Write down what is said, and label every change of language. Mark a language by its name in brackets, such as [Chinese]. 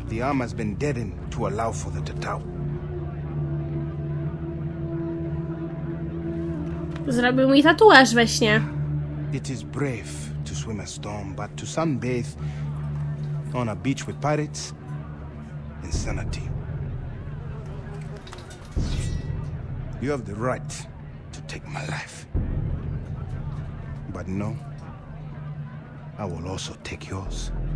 [English] The armor's been deadened to allow for the Tatao. [Polish] Zrobił mi tatuaż we śnie. [English] It is brave to swim a storm, but to sunbathe on a beach with pirates, insanity. You have the right to take my life. But no, I will also take yours.